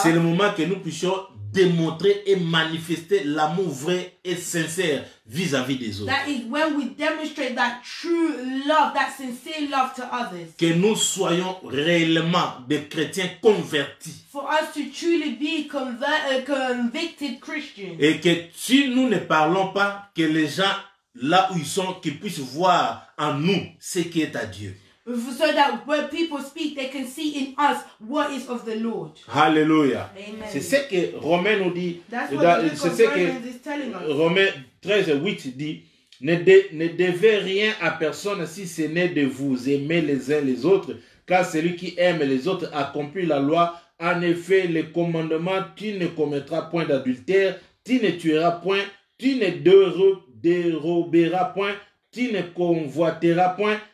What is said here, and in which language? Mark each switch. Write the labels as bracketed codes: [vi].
[fr] c'est le moment que nous puissions démontrer et manifester l'amour vrai et sincère vis-à-vis des autres. [en] That is when we demonstrate that true love, that sincere love to others. [fr] Que nous soyons réellement des chrétiens convertis. [en] For us to truly be convicted Christians. [fr] Et que si nous ne parlons pas, que les gens là où ils sont qu'ils puissent voir en nous ce qui est à Dieu. [en] So that when people speak, they can see in us what is of the Lord. Hallelujah. Amen. [fr] C'est ce que Romains nous dit. [en] That's what the Romans is telling us. [fr] Romains 13, 8 dit, ne devez rien à personne si ce n'est de vous aimer les uns les autres, car celui qui aime les autres accomplit la loi. En effet, le commandement, tu ne commettras point d'adultère, tu ne tueras point, tu ne déroberas point, tu ne convoiteras point.